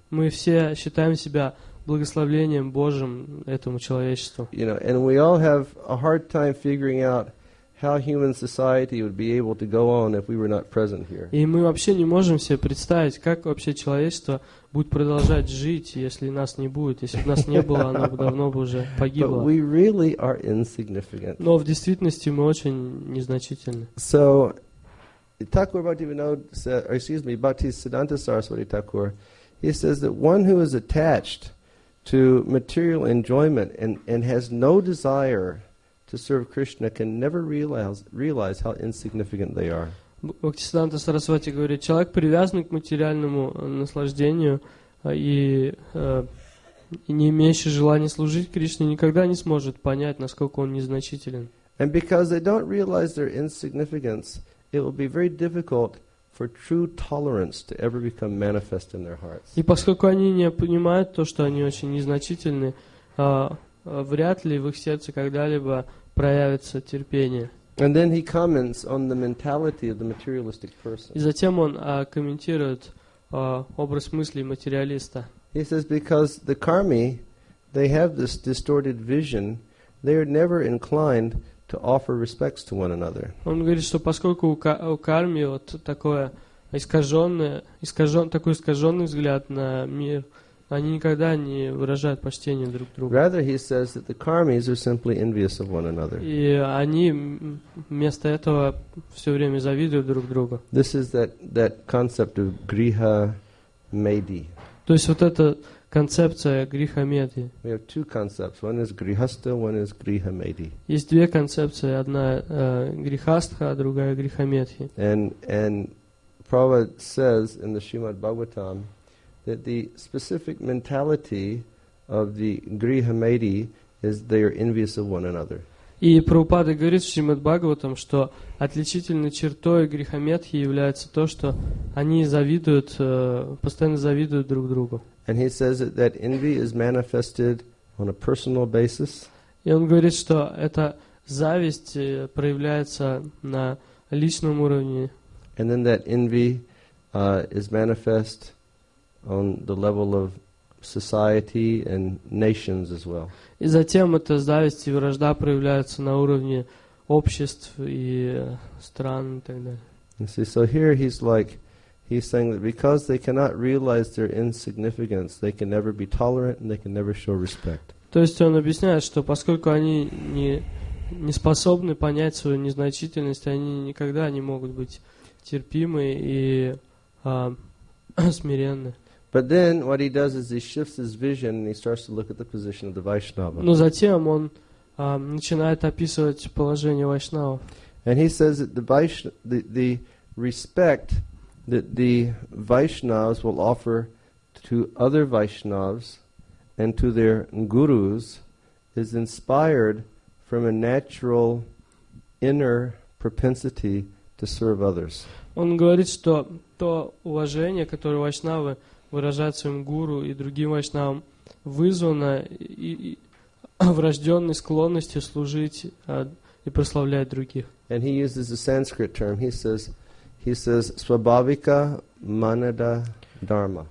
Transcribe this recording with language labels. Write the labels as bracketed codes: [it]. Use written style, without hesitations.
[ru] Мы все считаем себя благословением Божьим этому человечеству. [en] You know, and we all have a hard time figuring out how human society would be able to go on if we were not present here. [ru] И мы вообще не можем себе представить, как вообще человечество будет продолжать жить, если нас не будет. Если бы нас не было, оно бы давно бы уже погибло. [en] But we really are insignificant. [ru] Но в действительности мы очень незначительны. [en] So, Thakur Bhaktivinoda, excuse me, Bhaktisiddhanta Saraswati Thakur, He says that one who is attached to material enjoyment and has no desire to serve Krishna can never realize how insignificant they are. [ru] Бхактисиддханта Сарасвати говорит, человек привязанный к материальному наслаждению и не имеющий желания служить Кришне, никогда не сможет понять, насколько он незначителен. [en] And because they don't realize their insignificance, it will be very difficult for true tolerance to ever become manifest in their hearts. [ru] И поскольку они не понимают то, что они очень незначительны, вряд ли в их сердце когда-либо проявится терпение. [en] And then he comments on the mentality of the materialistic person. [ru] И затем он комментирует образ мыслей материалиста. [en] He says because the karmi, they have this distorted vision, they are never inclined to offer respects to one another. [ru] Он говорит, что поскольку у карми вот такое искаженный взгляд на мир, они никогда не выражают почтения друг другу. [en] Rather, he says that the karmis are simply envious of one another. [ru] И они вместо этого все время завидуют друг другу. [en] This is that concept of griha medhi. [ru] То есть вот эта концепция гриха медхи. [en] We have two concepts. One is grihastha, one is griha medhi. [ru] Есть две концепции: одна грихастха, а другая гриха медхи. [en] And Prabhupada says in the Srimad Bhagavatam that the specific mentality of the griha medhi is they are envious of one another. [ru] И Прабхупада говорит в Шримад Бхагаватам, что отличительной чертой гриха медхи является то, что они завидуют, постоянно завидуют друг другу. [en] And he says that envy is manifested on a personal basis. [ru] И он говорит, что эта зависть проявляется на личном уровне. [en] And then that envy is manifest on the level of society and nations as well. [ru] И затем эта зависть и вражда проявляются на уровне обществ и стран и так далее. [en] See, so here he's saying that because they cannot realize their insignificance, they can never be tolerant and they can never show respect. [ru] То есть он объясняет, что поскольку они не способны понять свою незначительность, они никогда не могут быть терпимы и смиренны. [en] But then what he does is he shifts his vision and he starts to look at the position of the Vaishnava. [ru] Но затем он начинает описывать положение Вайшнава. [en] And he says that the respect that the Vaishnavas will offer to other Vaishnavas and to their gurus is inspired from a natural inner propensity to serve others. [ru] Он говорит, что то уважение, которое Вайшнавы выражать своим гуру и другим вайшнавам, вызвано и врожденной склонностью служить и прославлять других. [en] And he uses a Sanskrit term. He says свабавика манада дарма.